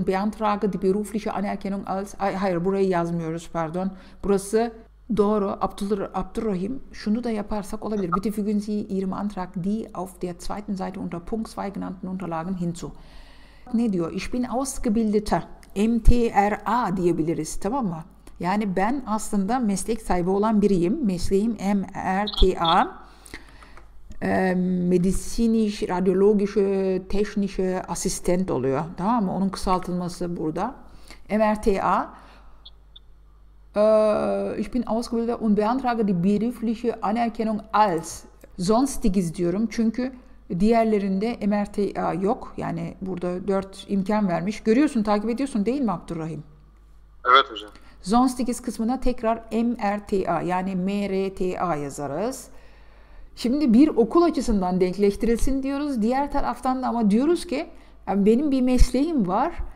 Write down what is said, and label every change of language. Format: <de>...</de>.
<de>Und beantrage die berufliche Anerkennung als...</de> <tr>Ay, hayır, burayı yazmıyoruz, pardon. Burası doğru. Abdurrahim, şunu da yaparsak olabilir.</tr> <de>Bitte fügen Sie Ihrem Antrag die auf der zweiten Seite unter Punkt 2 genannten Unterlagen hinzu.</de> <tr>Ne diyor?</tr> <de>Ich bin ausgebildeter.</de> <tr>MTRA diyebiliriz, tamam mı? Yani ben aslında meslek sahibi olan biriyim. Mesleğim MRTA.</tr> <de>Medizinisch, radiologische, technische Assistent</de> <tr>oluyor. Tamam mı? Onun kısaltılması burada. MRTA.</tr> <de>Ich bin ausgebildet und beantrage die berufliche Anerkennung als sonstiges</de> <tr>diyorum. Çünkü diğerlerinde MRTA yok. Yani burada 4 imkan vermiş. Görüyorsun, takip ediyorsun değil mi Abdurrahim? Evet hocam. Sonstiges kısmına tekrar MRTA, yani MRTA yazarız. Şimdi bir okul açısından denkleştirilsin diyoruz. Diğer taraftan da ama diyoruz ki yani benim bir mesleğim var.</tr>